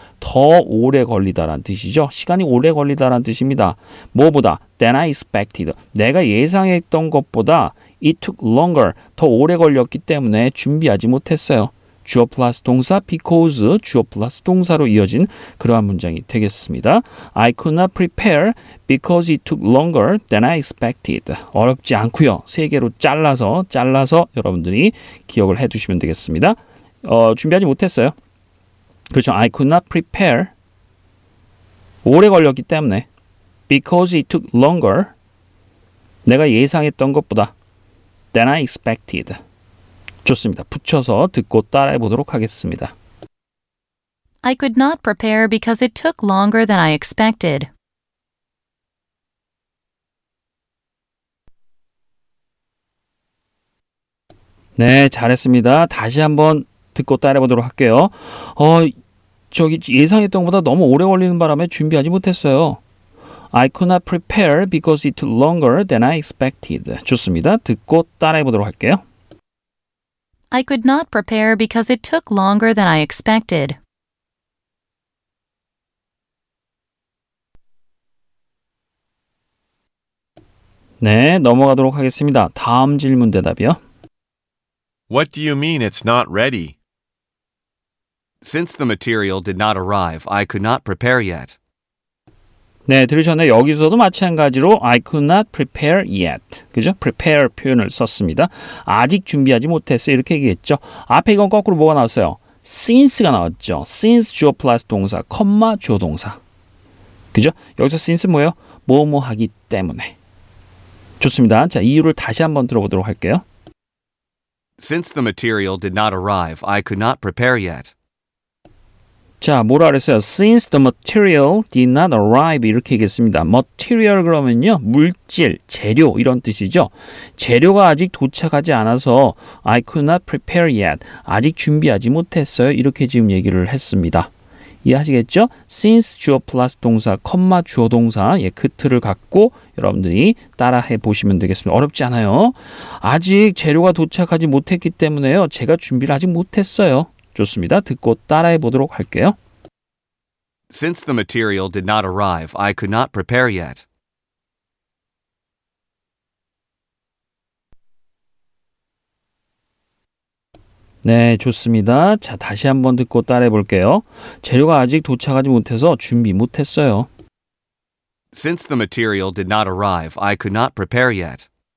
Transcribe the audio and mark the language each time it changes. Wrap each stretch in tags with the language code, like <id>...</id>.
<ko>더 오래 걸리다라는 뜻이죠. 시간이 오래 걸리다라는 뜻입니다. 뭐보다?</ko> <en>Than I expected.</en> <ko>내가 예상했던 것보다</ko> <en>It took longer.</en> <ko>더 오래 걸렸기 때문에 준비하지 못했어요. 주어 플러스 동사 because 주어 플러스 동사로 이어진 그러한 문장이 되겠습니다.</ko> <en>I could not prepare because it took longer than I expected.</en> <ko>어렵지 않고요. 세 개로 잘라서 여러분들이 기억을 해두시면 되겠습니다. 준비하지 못했어요. 그렇죠.</ko> <en>I could not prepare.</en> <ko>오래 걸렸기 때문에.</ko> <en>Because it took longer.</en> <ko>내가 예상했던 것보다.</ko> <en>Than I expected.</en> <ko>좋습니다. 붙여서 듣고 따라해 보도록 하겠습니다.</ko> <en>I could not prepare because it took longer than I expected.</en> <ko>네, 잘했습니다. 다시 한번 듣고 따라해 보도록 할게요. 저기 예상했던 것보다 너무 오래 걸리는 바람에 준비하지 못했어요.</ko> <en>I could not prepare because it took longer than I expected.</en> <ko>좋습니다. 듣고 따라해 보도록 할게요.</ko> <en>I could not prepare because it took longer than I expected.</en> <ko>네, 넘어가도록 하겠습니다. 다음 질문 대답이요.</ko> <en>What do you mean it's not ready? Since the material did not arrive, I could not prepare yet.</en> <ko>네, 들으셨네요. 여기서도 마찬가지로</ko> <en>I could not prepare yet.</en> <ko>그죠? prepare 표현을 썼습니다. 아직 준비하지 못했어요. 이렇게 얘기했죠. 앞에 이건 거꾸로 뭐가 나왔어요? since가 나왔죠. since 주어 플러스 동사, 콤마 주어 동사. 그죠? 여기서 since 뭐예요? 뭐뭐 하기 때문에. 좋습니다. 자, 이유를 다시 한번 들어보도록 할게요.</ko> <en>Since the material did not arrive, I could not prepare yet.</en> <ko>자, 뭐라 그랬어요?</ko> <en>Since the material did not arrive,</en> <ko>이렇게 얘기했습니다. Material 그러면요, 물질, 재료 이런 뜻이죠. 재료가 아직 도착하지 않아서</ko> <en>I could not prepare yet,</en> <ko>아직 준비하지 못했어요. 이렇게 지금 얘기를 했습니다. 이해하시겠죠? Since 주어 플러스 동사, 컴마 주어 동사, 예, 그 틀을 갖고 여러분들이 따라해 보시면 되겠습니다. 어렵지 않아요. 아직 재료가 도착하지 못했기 때문에요, 제가 준비를 아직 못했어요. 좋습니다. 듣고 따라해 보도록 할게요.</ko> <en>Since the material did not arrive, I could not prepare yet.</en> <ko>네, 좋습니다. 자, 다시 한번 듣고 따라해 볼게요. 재료가 아직 도착하지 못해서 준비 못했어요.</ko> <en>Since the material did not arrive, I could not prepare yet.</en>